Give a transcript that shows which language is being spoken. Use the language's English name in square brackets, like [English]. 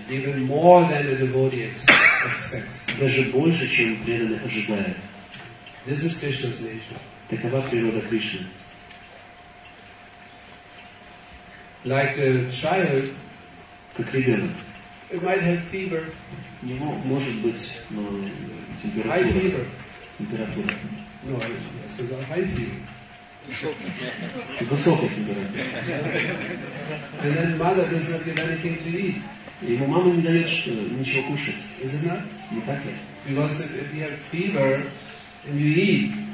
[English] Even more than the devotee expects. [Russian] Даже больше, чем преданный ожидает. [English] This is Krishna's nature. [Russian] Такова природа Кришны. [English] Like a child, [Russian] как ребенок. [English] It might have fever. [Russian] У него может быть температура. [English] High fever. [Russian] Температура. [English] No, I said high fever. [Russian] Высокая температура. [English] And then mother does not give anything to eat. [Russian] Ему мама не дает ничего кушать. [English] Is it not? [Russian] Не так ли? [English] Because if you have fever and you eat,